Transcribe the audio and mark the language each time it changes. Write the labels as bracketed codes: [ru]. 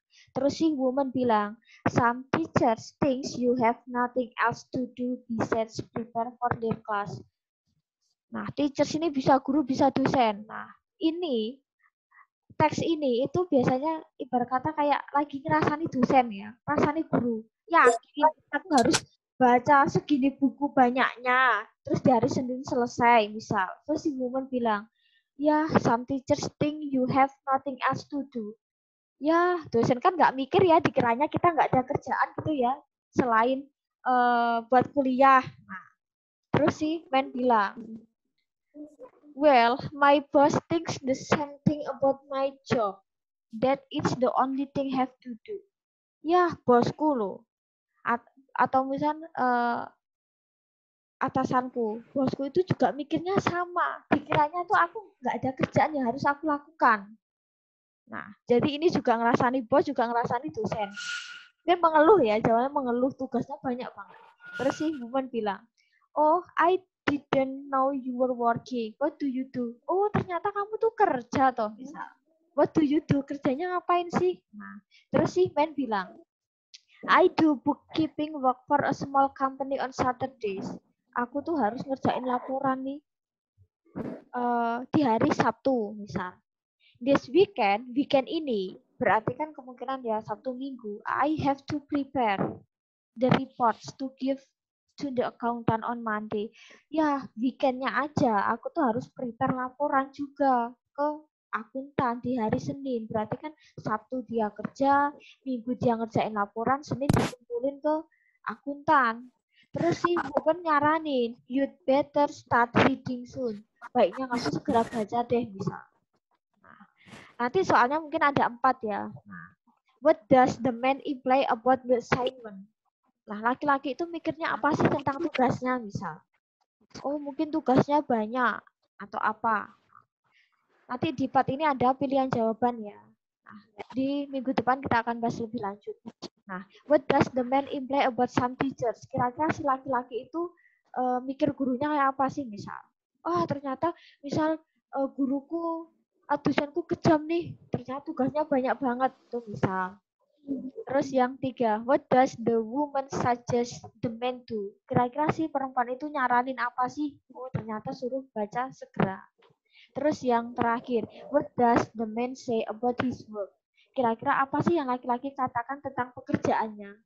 [id] Terus si woman bilang, [en] some teachers thinks you have nothing else to do besides prepare for their class. [id] Nah, teachers ini bisa guru, bisa dosen. Nah, ini, teks ini itu biasanya ibarat kata kayak lagi ngerasani dosen ya, rasani guru. Ya, aku harus baca segini buku banyaknya, terus di hari Senin selesai misal. Terus si woman bilang, ya, [en] some teachers think you have nothing else to do. [id] Ya, dosen kan nggak mikir ya, dikiranya kita nggak ada kerjaan gitu ya, selain buat kuliah. Nah, terus si Man bilang, [en] well, my boss thinks the same thing about my job, that it's the only thing I have to do. [id] Ya, bosku loh, atau misalnya atasanku, bosku itu juga mikirnya sama, pikirannya tuh aku nggak ada kerjaan yang harus aku lakukan. Nah, jadi ini juga ngerasani bos, juga ngerasani dosen. Dia mengeluh ya, jawabnya mengeluh, tugasnya banyak banget. Terus si woman bilang, [en] oh, I didn't know you were working. What do you do? [id] Oh, ternyata kamu tuh kerja toh. [en] What do you do? [id] Kerjanya ngapain sih? Nah, terus si man bilang, [en] I do bookkeeping work for a small company on Saturdays. [id] Aku tuh harus ngerjain laporan nih di hari Sabtu, misal. [en] This weekend [id] ini, berarti kan kemungkinan ya Sabtu Minggu, [en] I have to prepare the reports to give to the accountant on Monday. [id] Ya, weekend-nya aja, aku tuh harus prepare laporan juga ke akuntan di hari Senin. Berarti kan Sabtu dia kerja, Minggu dia ngerjain laporan, Senin dikumpulin ke akuntan. Terus sih, bukan nyaranin, [en] you'd better start reading soon. [id] Baiknya kamu segera baca deh, bisa. Nanti soalnya mungkin ada 4 ya. [en] What does the man imply about the assignment? [id] Nah, laki-laki itu mikirnya apa sih tentang tugasnya misal? Oh, mungkin tugasnya banyak atau apa? Nanti di part ini ada pilihan jawaban ya. Nah, di minggu depan kita akan bahas lebih lanjut. [en] Nah, what does the man imply about some teachers? [id] Kira-kira si laki-laki itu mikir gurunya kayak apa sih misal? Oh, ternyata misal guruku dosenku kejam nih, ternyata tugasnya banyak banget tuh misal. Terus yang tiga, [en] what does the woman suggest the man do? [id] Kira-kira si perempuan itu nyaranin apa sih? Oh, ternyata suruh baca segera. [en] Terus yang terakhir, what does the man say about his work? [id] Kira-kira apa sih yang laki-laki katakan tentang pekerjaannya?